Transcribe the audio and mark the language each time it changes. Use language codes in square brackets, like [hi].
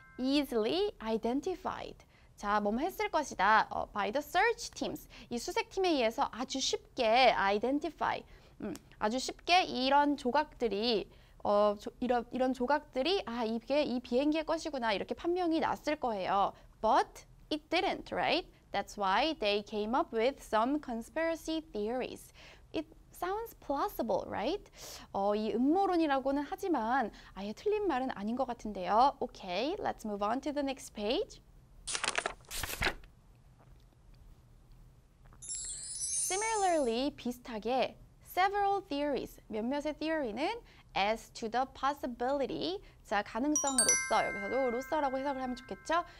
[en] Easily identified. [ko] 자, 뭐뭐 했을 것이다. [en] By the search teams. [ko] 이 수색팀에 의해서 아주 쉽게 identify. 아주 쉽게 이런 조각들이 이런 조각들이 아 이게 이 비행기의 것이구나 이렇게 판명이 났을 거예요. [en] But it didn't, right? That's why they came up with some conspiracy theories. It sounds plausible, right? [ko] 이 음모론이라고는 하지만 아예 틀린 말은 아닌 것 같은데요. [en] Okay, let's move on to the next page. Similarly, [ko] 비슷하게 [en] several theories, [ko] 몇몇의 theory는 [en] as to the possibility, [ko] 자, 가능성으로서, 여기서도 로서라고 해석을 하면 좋겠죠?